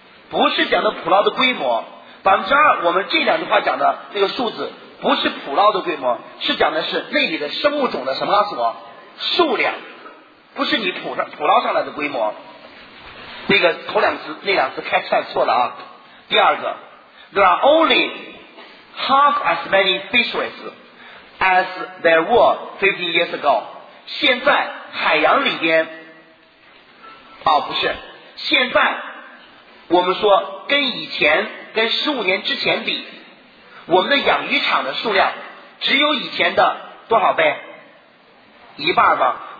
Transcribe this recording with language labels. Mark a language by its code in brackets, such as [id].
[zh] 不是讲的捕捞的规模，2%，我们这两句话讲的这个数字不是捕捞的规模，是讲的是那里的生物种的什么所数量，不是你捕捞上来的规模。那个头两次那两次 catch size 错了啊。第二个 [en] ，there are only half as many fisheries as there were 15 years ago。 [zh] 现在海洋里边，哦，不是，现在我们说跟以前跟15年之前比，我们的养鱼场的数量只有以前的多少倍？一半吧。